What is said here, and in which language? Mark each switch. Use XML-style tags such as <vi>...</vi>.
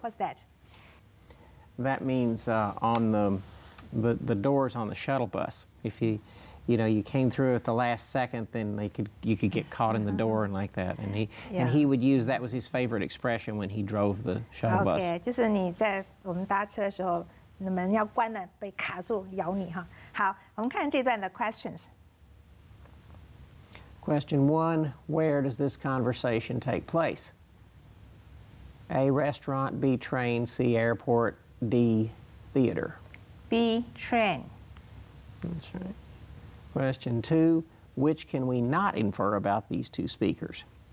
<en>What's that? That means on the doors on the shuttle bus. If you, you know, you came through at the last second, then you could get caught in the door and like that. And he would use that was his favorite expression when he drove the shuttle bus.</en> <zh>Okay, 就是你在我们搭车的时候，那门要关了，被卡住咬你哈。好，我们看这段的</zh> <en>questions. Question one: Where does this conversation take place? A restaurant, B train, C airport, D theater. B train. That's right. Question two, which can we not infer about these two speakers?</en>